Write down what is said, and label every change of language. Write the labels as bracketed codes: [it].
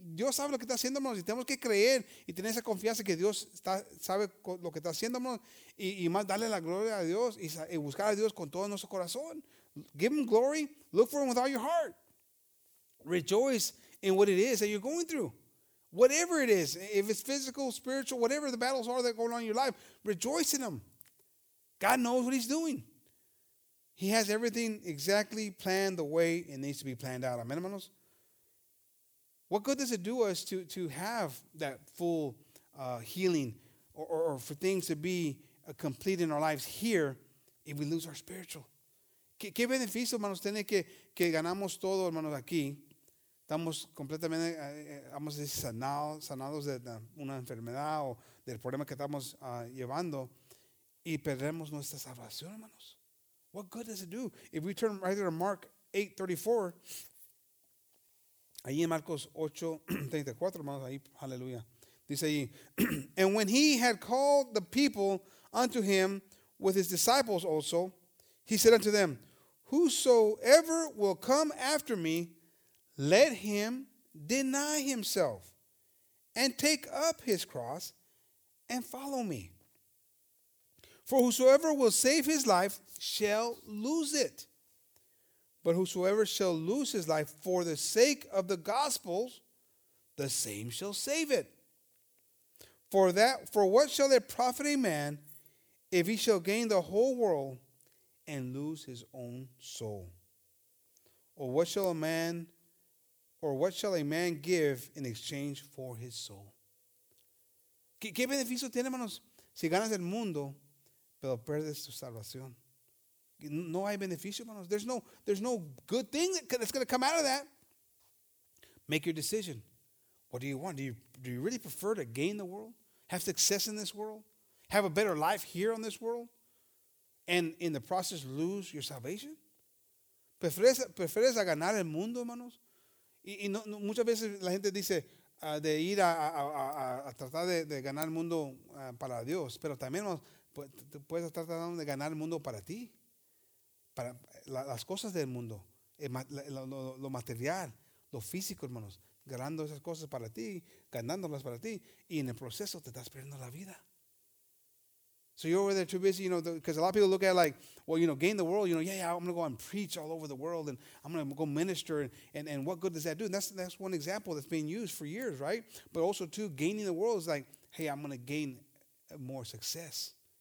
[es] Dios sabe lo que está haciendo, hermanos. Y tenemos que creer y tener esa confianza que Dios sabe lo que está haciendo, hermanos. Y más darle la gloria a Dios y buscar a Dios con todo nuestro corazón. [en] Give him glory. Look for him with all your heart. Rejoice in what it is that you're going through. Whatever it is, if it's physical, spiritual, whatever the battles are that are going on in your life, rejoice in them. God knows what he's doing. He has everything exactly planned the way it needs to be planned out. Amen, [es] hermanos? [en] What good does it do us to have that full healing or for things to be complete in our lives here if we lose our spiritual? [es] ¿Qué beneficio, hermanos, tiene que ganamos todo, hermanos, aquí? Estamos completamente, vamos a decir, sanados de una enfermedad o del problema que estamos llevando y perdemos nuestra salvación, hermanos. [en] What good does it do? If we turn right there to Mark 8:34, [es] ahí en Marcos 8:34, hermanos, ahí, aleluya, dice ahí, [en] and when he had called the people unto him with his disciples also, he said unto them, whosoever will come after me, let him deny himself and take up his cross and follow me. For whosoever will save his life shall lose it. But whosoever shall lose his life for the sake of the gospel, the same shall save it. For what shall it profit a man if he shall gain the whole world and lose his own soul? Or what shall a man, or what shall a man give in exchange for his soul? [es] ¿Qué beneficio tiene, hermanos, si ganas el mundo, pero pierdes tu salvación? No hay beneficio, hermanos. [en] There's no good thing that's going to come out of that. Make your decision. What do you want? Do you really prefer to gain the world? Have success in this world? Have a better life here on this world? And in the process, lose your salvation? [es] ¿Prefieres a ganar el mundo, hermanos? Y no, no, muchas veces la gente dice de ir a tratar de ganar el mundo para Dios. Pero también puedes estar tratando de ganar el mundo para ti. Para las cosas del mundo. Lo material, lo físico, hermanos. Ganando esas cosas para ti, ganándolas para ti. Y en el proceso te estás perdiendo la vida. [en] So you're over there too busy, you know, because a lot of people look at it like, well, you know, gain the world, you know, yeah, I'm going to go and preach all over the world and I'm going to go minister and what good does that do? And that's one example that's being used for years, right? But also, too, gaining the world is like, hey, I'm going to gain more success.